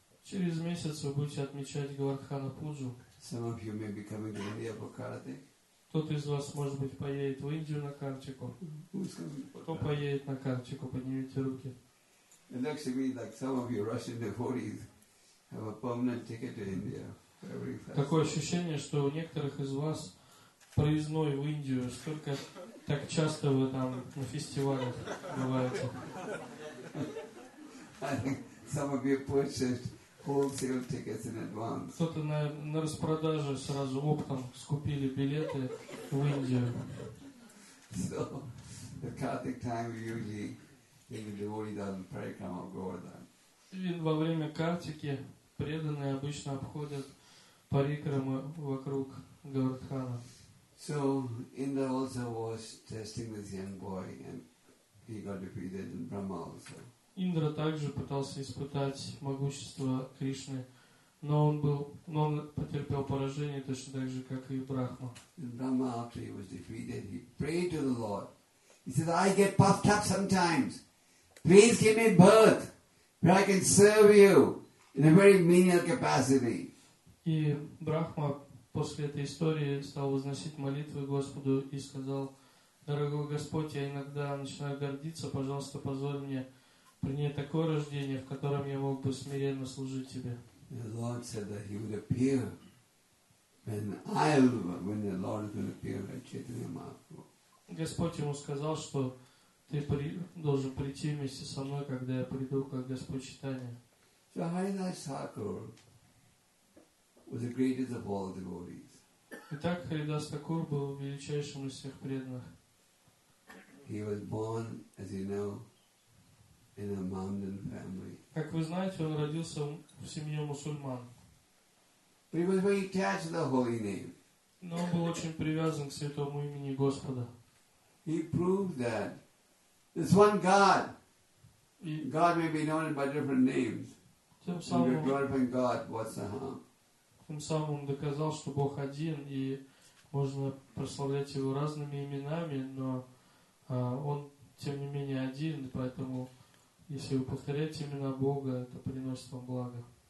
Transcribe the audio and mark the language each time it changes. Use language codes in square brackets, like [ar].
[ru] Через месяц вы будете отмечать Говардхана Пуджу. [en] Some of you may be coming to India for karate. [ru] Кто-то из вас, может быть, поедет в Индию на картику. Кто поедет на картику, поднимите руки. [en] It actually means like some of you Russian devotees have a permanent ticket to India. [ru] Такое ощущение, что у некоторых из вас проездной в Индию, столько так часто вы там на фестивалях бываете. [en] Some of you purchased wholesale tickets in advance. [ru] Кто-то на распродаже сразу оптом скупили билеты в Индию. [en] So the Kartik time we usually in the devotees on the parikrama of Govardhan. [ru] Во время картики преданные обычно обходят парикрама вокруг Говардхана. [en] So Indra also was testing this young boy, and he got defeated. And Brahma also. [ru] Индра также пытался испытать могущество Кришны, но он потерпел поражение точно так же, как и Брахма. [en] And Brahma, after he was defeated, he prayed to the Lord. He said, "I get puffed up sometimes. Please give me birth, where I can serve you in a very menial capacity." [ru] И Брахма после этой истории стал возносить молитвы Господу и сказал: «Дорогой Господь, я иногда начинаю гордиться, пожалуйста, позволь мне принять такое рождение, в котором я мог бы смиренно служить Тебе». [en] When the Lord is going to appear at Chaitanya Mahaprabhu. [ru] Господь ему сказал, что ты должен прийти вместе со мной, когда я приду, как Господь Читания. [en] So Haridas Thakur was the greatest of all devotees. [ru] Итак, Харидас Такур был величайшим из всех преданных. [en] He was born, as you know, in a Mohammedan family. [ru] Как вы знаете, он родился в семье мусульман. [en] But he was very attached to the holy name. [ru] Но он был очень привязан к святому имени Господа. [en] He proved that there's one God. God may be known by different names. [ru] Тем самым, [en] glorifying God, what's the harm? [ru] Тем самым он доказал, что Бог один, и можно прославлять его разными именами, но он, тем не менее, один, поэтому, если вы повторяете имена Бога, это приносит вам благо.